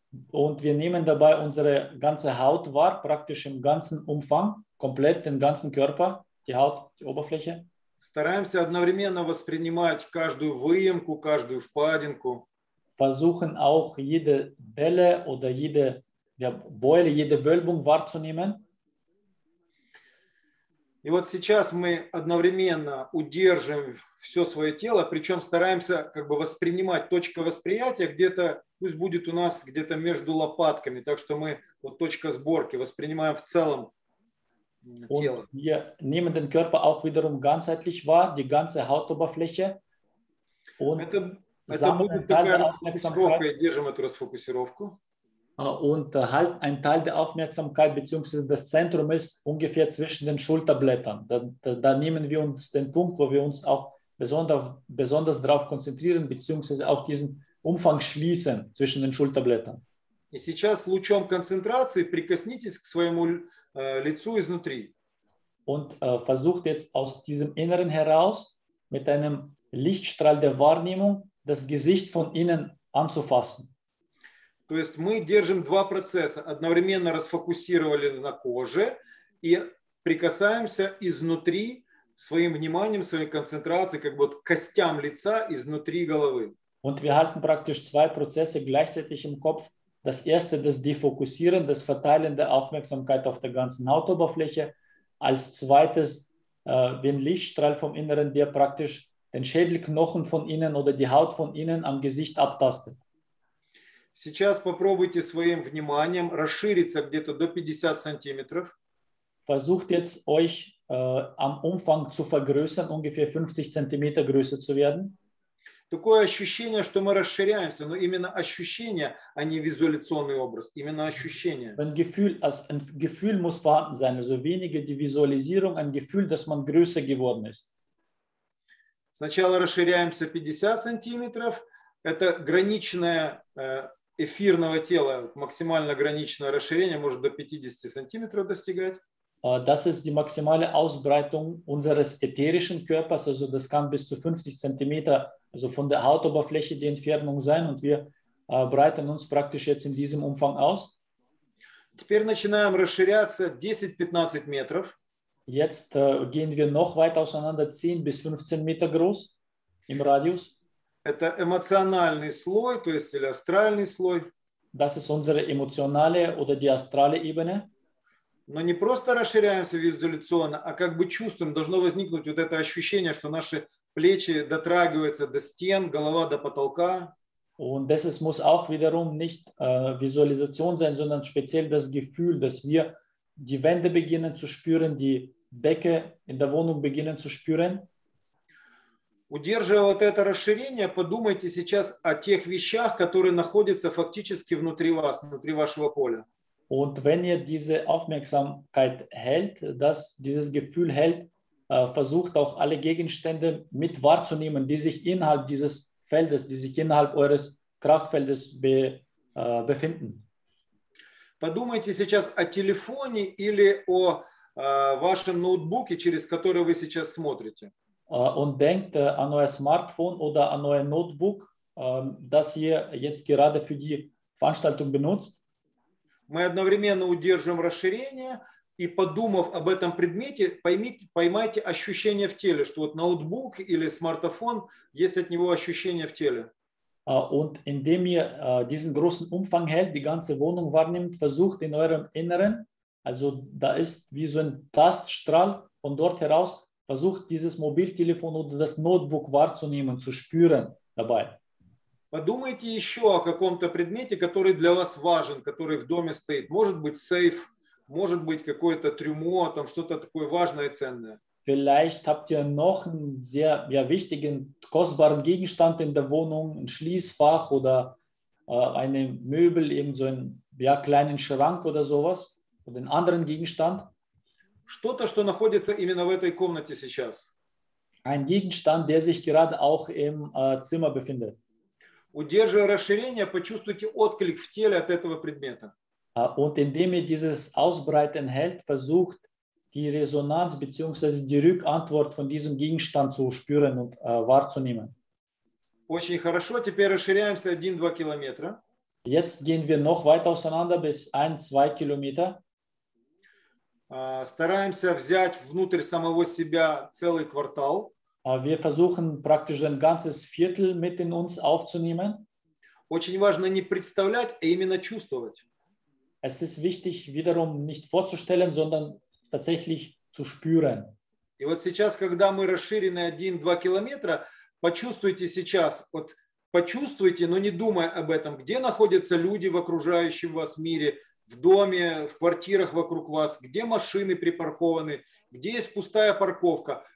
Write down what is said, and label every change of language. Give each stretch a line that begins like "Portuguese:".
German: Und wir nehmen dabei unsere ganze Haut wahr, praktisch im ganzen Umfang, komplett den ganzen Körper, die Haut, die Oberfläche.
Russian: Стараемся одновременно воспринимать каждую выемку, каждую впадинку.
German: Versuchen auch jede Delle oder jede Beule, jede Wölbung wahrzunehmen.
Russian: И вот сейчас мы одновременно удерживаем все свое тело, причем стараемся как бы воспринимать точка восприятия где-то, пусть будет у нас где-то между лопатками, так что мы вот точка сборки воспринимаем в целом тело.
German: Und wir nehmen den Körper auch wiederum ganzheitlich wahr, die ganze Hautoberfläche. Und
Russian: это будет такая расфокусировка, и держим эту расфокусировку.
German: Und halt ein Teil der Aufmerksamkeit beziehungsweise das Zentrum ist ungefähr zwischen den Schulterblättern. Da nehmen wir uns den Punkt, wo wir uns auch besonders darauf konzentrieren beziehungsweise auch diesen Umfang schließen zwischen den Schulterblättern.
Russian: И сейчас лучом концентрации прикоснитесь к своему лицу изнутри.
German: Und versucht jetzt aus diesem Inneren heraus mit einem Lichtstrahl der Wahrnehmung das Gesicht von innen anzufassen.
Russian: То есть мы держим два процесса. Одновременно расфокусировали на коже и прикасаемся изнутри своим вниманием, своей концентрацией, как бы вот костям лица изнутри головы.
German: Und wir halten praktisch zwei Prozesse gleichzeitig im Kopf. Das erste, das Defokussieren, das Verteilen der Aufmerksamkeit auf der ganzen Hautoberfläche. Als zweites, wenn Lichtstrahl vom Inneren, der praktisch den Schädelknochen von innen oder die Haut von innen am Gesicht abtastet.
Russian: Сейчас попробуйте своим вниманием расшириться где-то до 50 сантиметров.
German: Versucht jetzt euch am Umfang zu vergrößern, ungefähr 50 Zentimeter größer zu werden.
Russian: Такое ощущение, что мы расширяемся, но именно ощущение, а не визуализационный образ, именно ощущение.
German: Ein Gefühl, also ein Gefühl muss vorhanden sein, also weniger die Visualisierung, ein Gefühl, dass man größer geworden ist.
Russian: Сначала расширяемся 50 сантиметров. Это граничное эфирного тела, максимально граничное расширение, может до 50 сантиметров достигать.
German: Das ist die maximale Ausbreitung unseres ätherischen Körpers, also das kann bis zu 50 Zentimeter, also von der Hautoberfläche die Entfernung sein, und wir breiten uns praktisch jetzt in diesem Umfang aus.
Russian: Теперь начинаем расширяться 10-15 метров.
German: Jetzt gehen wir noch weiter auseinander, 10 bis 15 Meter groß im Radius.
Russian: Это эмоциональный слой, то есть или астральный слой.
German: Das ist unsere emotionale oder die astrale Ebene.
Russian: Но не просто расширяемся визуализационно, а как бы чувствуем, должно возникнуть вот это ощущение, что наши плечи дотрагиваются до стен, голова до потолка.
German: Und das ist, muss auch wiederum nicht Visualisation sein, sondern speziell das Gefühl, dass wir die Wände beginnen zu spüren, die Decke in der Wohnung beginnen zu spüren.
Russian: Удерживая вот это расширение, подумайте сейчас о тех вещах, которые находятся фактически внутри вас, внутри вашего поля.
German: Und wenn ihr diese Aufmerksamkeit hält, dass dieses Gefühl hält, versucht auch alle Gegenstände mit wahrzunehmen, die sich innerhalb dieses Feldes, die sich innerhalb eures Kraftfeldes befinden.
Russian: Подумайте сейчас о телефоне или о вашем ноутбуке, через который вы сейчас смотрите.
German: Und denkt an euer Smartphone oder an euer Notebook, das ihr jetzt gerade für die Veranstaltung benutzt.
Russian: Мы одновременно удерживаем расширение, и подумав об этом предмете, поймайте ощущение в теле, что вот ноутбук или смартфон, есть от него ощущение в теле.
German: Und indem ihr diesen großen Umfang hält, die ganze Wohnung wahrnimmt, versucht in eurem Inneren, also da ist wie so ein Taststrahl von dort heraus, versucht dieses Mobiltelefon oder das Notebook wahrzunehmen, zu spüren dabei.
Russian: Подумайте еще о каком-то предмете, который для вас важен, который в доме стоит. Может быть, сейф, может быть, какое-то трюмо, там что-то такое важное и ценное.
German: Vielleicht habt ihr noch einen sehr wichtigen, kostbaren Gegenstand in der Wohnung, ein Schließfach oder eine Möbel, eben so einen kleinen Schrank oder sowas, oder einen anderen Gegenstand.
Russian: Что-то, что находится именно в этой комнате сейчас.
German: Ein Gegenstand, der sich gerade auch im Zimmer befindet.
Russian: Удерживая расширение, почувствуйте отклик в теле от этого предмета.
German: Und indem ihr dieses Ausbreiten hält, versucht, die Resonanz bzw. die Rückantwort von diesem Gegenstand zu spüren und wahrzunehmen.
Russian: Очень хорошо, теперь расширяемся 1-2 километра.
German: Jetzt gehen wir noch weiter auseinander bis 1-2 Kilometer.
Russian: Стараемся взять внутрь самого себя целый квартал.
German: Wir versuchen praktisch ein ganzes Viertel mit in uns aufzunehmen.
Russian: Очень важно не представлять, а именно чувствовать.
German: Es ist wichtig, wiederum nicht vorzustellen, sondern tatsächlich zu spüren.
Russian: И вот сейчас, когда мы расширены 1-2 километра, почувствуйте сейчас, вот почувствуйте, но не думая об этом, где находятся люди в окружающем вас мире, в доме, в квартирах вокруг вас, где машины припаркованы, где есть пустая парковка.